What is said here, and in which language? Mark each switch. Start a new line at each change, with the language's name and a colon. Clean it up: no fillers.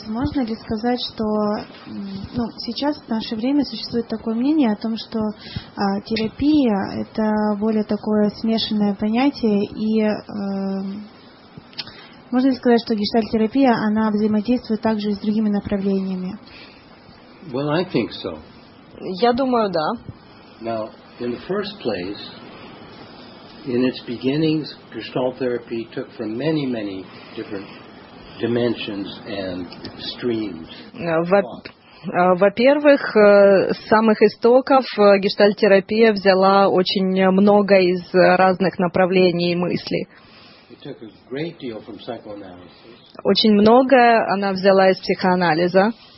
Russian: Можно ли сказать, что сейчас в наше время существует такое мнение о том, что терапия – это более такое смешанное понятие, и можно ли сказать, что гештальт-терапия, она взаимодействует также и с другими направлениями?
English: Well, I think so.
Russian: Я думаю, да.
English: Now, in the first place, in its beginnings, gestalt-therapy took from many, many different dimensions and streams.
Russian: Во-первых, с самых истоков гештальт-терапия взяла очень много из разных направлений мысли.
English: It took a great deal from psychoanalysis.
Russian: Очень многое она взяла из психоанализа.